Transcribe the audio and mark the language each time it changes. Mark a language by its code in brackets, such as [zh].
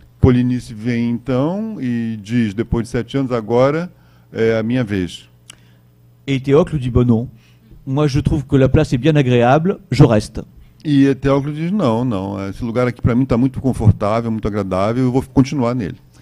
[pt] Polynices vem então e diz depois de 7 anos agora é a minha vez. [fr] Et Théocle dit, bon non, moi je trouve que la place est bien agréable, je reste. Et Théocle dit, non, non, ce [pt] lugar aqui para mim está muito confortável, muito agradável, eu vou continuar nele.